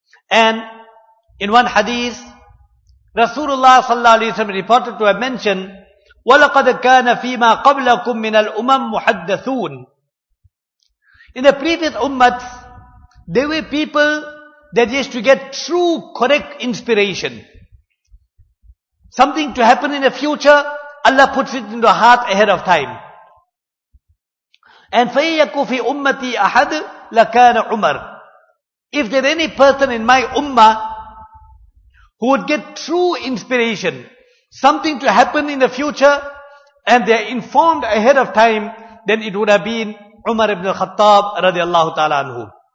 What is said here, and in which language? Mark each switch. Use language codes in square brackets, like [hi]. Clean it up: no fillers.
[en] And in one hadith, Rasulullah sallallahu alayhi wa sallam reported to have mentioned, [ar] وَلَقَدْ كَانَ فِي مَا قَبْلَكُمْ مِنَ الْأُمَمْ مُحَدَّثُونَ. [en] In the previous ummats, there were people that used to get true, correct inspiration. Something to happen in the future, Allah puts it into heart ahead of time. And [ar] فَيَّكُ فِي أُمَّتِي أَحَدٌ لَكَانَ عُمَرٌ. [en] If there's any person in my ummah, who would get true inspiration, something to happen in the future, and they are informed ahead of time, then it would have been Umar ibn al-Khattab radiallahu ta'ala anhu.